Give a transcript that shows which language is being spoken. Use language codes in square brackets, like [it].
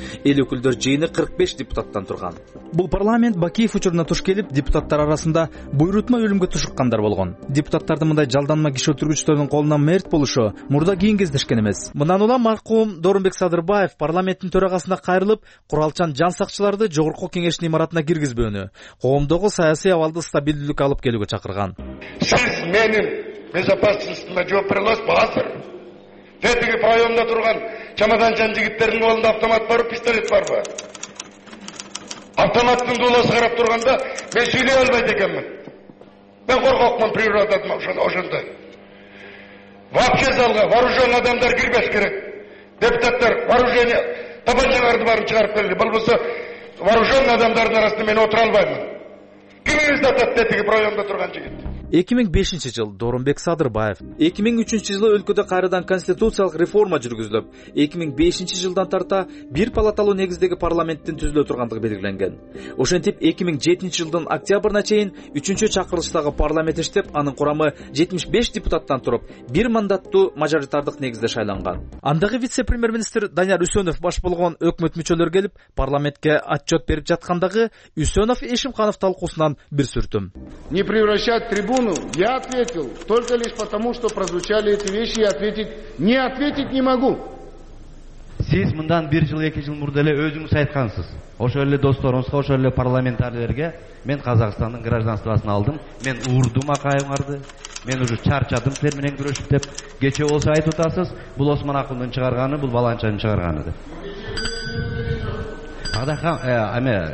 [ky] Эл өкүлдөр жыйыны 45 депутаттан турган. Бул парламент Бакиев учуруна туш келип, депутаттар арасында буйрутма өлүмгө тушуккандар болгон. Депутаттардын мындай жалданма киши өлтүргүчтөрдүн колунан мерт болушу мурда кийин кездешкен эмес. Мындан улам маркум Дорунбек Садырбаев парламенттин төрагасына кайрылып, куралчан жан сакчыларды Жогорку Кеңештин имаратына киргизбөөнү, коомдогу саясий абалды стабилдүүлүккө алып келүүгө чакырган. Сиз менин безопасностьума жооп бере аласызбы азыр? Тетиги районунда турган чамаданчан жигиттердин колунда автомат барбы, пистолет барбы? Автоматтын дулосу карап турганда мен сүйлөй албайт экенмин. Мен коркокмун природадан ошондой. Вообще залга вооружённый адамдар кирбеш керек. Депутаттар вооружение табанчаларды барып чыгарып берди. Бул болсо вооружённый адамдардын арасында мен отура албайм. Кимиңизди атат тетиги районунда турган жигит? 2005 жыл Дорунбек Садырбаев. 2003 жылы өлкөдө кайрадан конституциялык реформа жүргүзүлүп, 2005 жылдан тарта бир палаталуу негиздеги парламенттин түзүлө тургандыгы белгиленген. Ошентип 2007 жылдын октябрына чейин 3-чү чакырылыштагы парламент иштеп, анын курамы 75 депутаттан туруп, бир мандаттуу мажоритардык негизде шайланган. Андагы вице-премьер-министр Данияр Үсөнов баш болгон өкмөт мүчөлөрү келип, парламентке отчет берип жаткандагы Үсөнов Эшимканов талкуусунан бир сүртүм. [ru] Не превращать трибуну. Я ответил только лишь потому, что прозвучали эти вещи, и ответить не могу. [ky] Сиз мындан бир жыл, эки жыл мурда эле өзүңүз айткансыз. Ошол эле досторуңузга, ошол эле парламентарийлерге мен Казакстандын гражданствосун алдым, мен урдум акайыңарды, мен уже чарчадым силер менен күрөшүп деп кечээ болсо айтып атасыз, бул Осман акындын чыгарганы, бул Баланчанын чыгарганы деп.